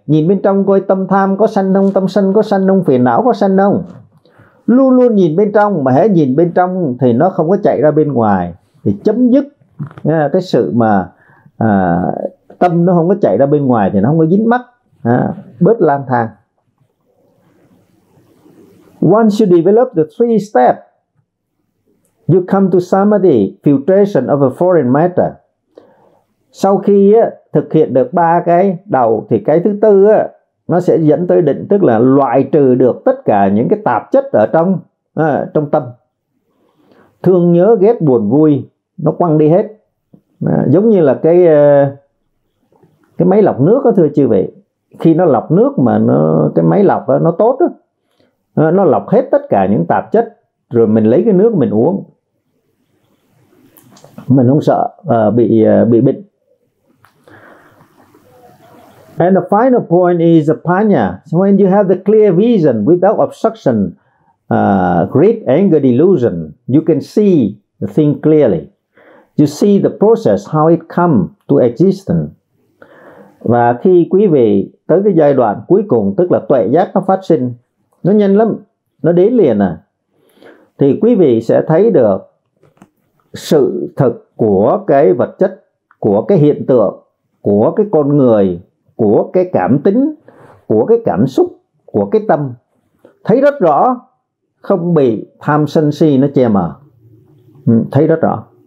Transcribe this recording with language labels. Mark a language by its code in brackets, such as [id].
[vi] Nhìn bên trong coi tâm tham có sanh không, tâm sân có sanh không, phiền não có sanh không. Luôn luôn nhìn bên trong, mà hễ nhìn bên trong thì nó không có chạy ra bên ngoài, thì chấm dứt cái sự mà tâm nó không có chạy ra bên ngoài thì nó không có dính mắc, bớt lang thang. [en] Once you develop the three steps, you come to samadhi, filtration of a foreign matter. [vi] Sau khi thực hiện được ba cái đầu thì cái thứ tư nó sẽ dẫn tới định, tức là loại trừ được tất cả những cái tạp chất ở trong trong tâm. Thương nhớ ghét buồn vui nó quăng đi hết. Giống như là cái máy lọc nước đó, thưa chư vị. Khi nó lọc nước mà nó cái máy lọc đó, nó tốt đó, nó lọc hết tất cả những tạp chất, rồi mình lấy cái nước mình uống, mình không sợ bị bệnh. [en] And the final point is apanya. So when you have the clear vision without obstruction, greed, anger, delusion, you can see the thing clearly. You see the process, how it come to existence. [vi] Và khi quý vị tới cái giai đoạn cuối cùng, tức là tuệ giác nó phát sinh, nó nhanh lắm, nó đến liền à, thì quý vị sẽ thấy được sự thật của cái vật chất, của cái hiện tượng, của cái con người, của cái cảm tính, của cái cảm xúc, của cái tâm, thấy rất rõ, không bị tham sân si nó che mờ. Thấy rất rõ.